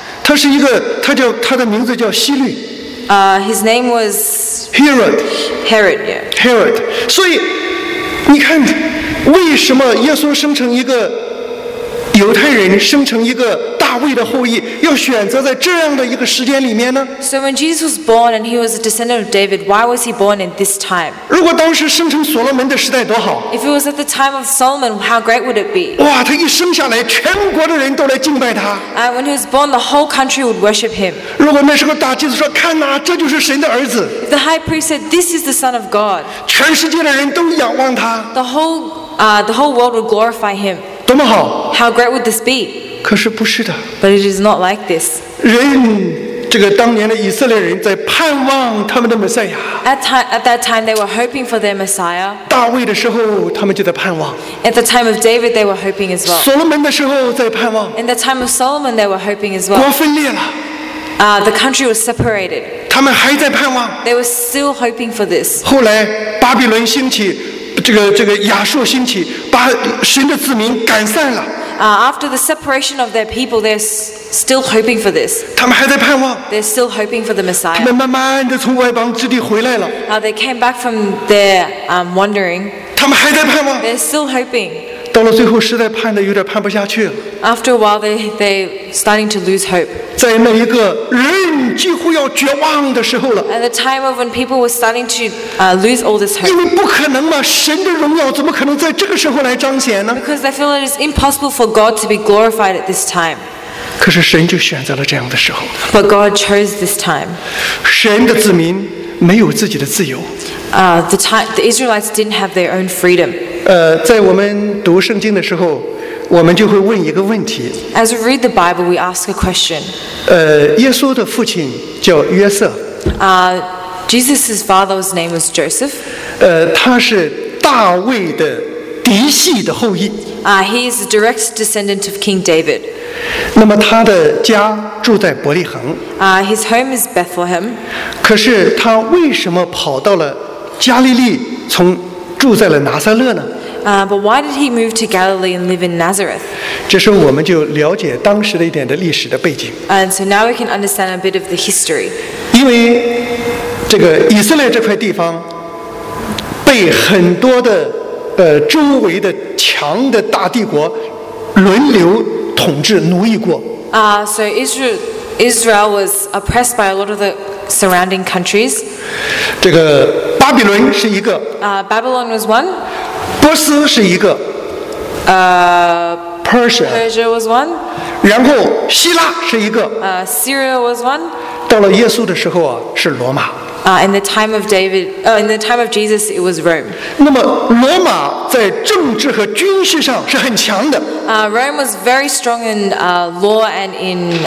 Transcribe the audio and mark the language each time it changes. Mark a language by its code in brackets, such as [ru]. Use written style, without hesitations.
[zh] 他是一个，他的名字叫希律。 [en] His name was Herod. Herod, yeah. Herod. [zh] 所以你看，为什么耶稣生成一个犹太人，生成一个大卫的后裔，要选择在这样的一个时间里面呢？ [en] So when Jesus was born and he was a descendant of David, why was he born in this time? [zh] 如果当时生成所罗门的时代多好？ [en] If it was at the time of Solomon, how great would it be? [zh] 哇，他一生下来，全国的人都来敬拜他。 [en] When he was born, the whole country would worship him. [zh] 如果那时候大祭司说，看哪，这就是神的儿子。 [en] If the high priest said, this is the son of God. [zh] 全世界的人都仰望他。 [en] The whole world would glorify him. [zh] 多么好！ [en] How great would this be? [zh] 可是不是的。 [en] But it is not like this. [zh] 人，这个当年的以色列人在盼望他们的弥赛亚。 [en] At that time, they were hoping for their Messiah. [zh] 大卫的时候，他们就在盼望。 [en] At the time of David, they were hoping as well. [zh] 所罗门的时候在盼望。 [en] In the time of Solomon, they were hoping as well. [zh] 国分裂了。 [en] The country was separated. [zh] 他们还在盼望。 [en] They were still hoping for this. [zh] 后来巴比伦兴起。这个亚述兴起，把神的子民赶散了。 [en] After the separation of their people, they're still hoping for this. [zh] 他们还在盼望。 [en] They're still hoping for the Messiah. [zh] 他们慢慢的从外邦之地回来了。 [en] They came back from their wandering. [zh] 他们还在盼望。 [en] They're still hoping. [zh] 到了最后，实在盼的有点盼不下去了。 [en] After a while, they starting to lose hope. [zh] 在那一个人几乎要绝望的时候了。 [en] At the time of when people were starting to lose all this hope. [zh] 因为不可能嘛，神的荣耀怎么可能在这个时候来彰显呢？ [en] Because they feel it is impossible for God to be glorified at this time. [zh] 可是神就选择了这样的时候。 [en] But God chose this time. [zh] 神的子民没有自己的自由。 [en] The Israelites didn't have their own freedom. [zh] 在我们读圣经的时候。我们就会问一个问题。 [en] As we read the Bible, we ask a question. [zh] 耶稣的父亲叫约瑟。 [en] Jesus' father's name was Joseph. [zh] 他是大卫的嫡系的后裔。 [en] He is a direct descendant of King David. [zh] 那么他的家住在伯利恒。 [en] His home is Bethlehem. [zh] 可是他为什么跑到了加利利，从住在了拿撒勒呢？ [en] But why did he move to Galilee and live in Nazareth? [zh] 这时候我们就了解当时的一点的历史的背景。 [en] And so now we can understand a bit of the history. [zh] 因为这个以色列这块地方被很多的周围的强的大帝国轮流统治奴役过。 [en] So Israel was oppressed by a lot of the surrounding countries. [zh] 这个巴比伦是一个。 [en] Babylon was one. [zh] 波斯是一个 [en] Persia was one [zh] 然后希腊是一个 [en] Syria was one [zh] 到了耶稣的时候啊，是罗马 [en] In the time of Jesus it was Rome [zh] 那么罗马在政治和军事上是很强的 [en] Rome was very strong in law and in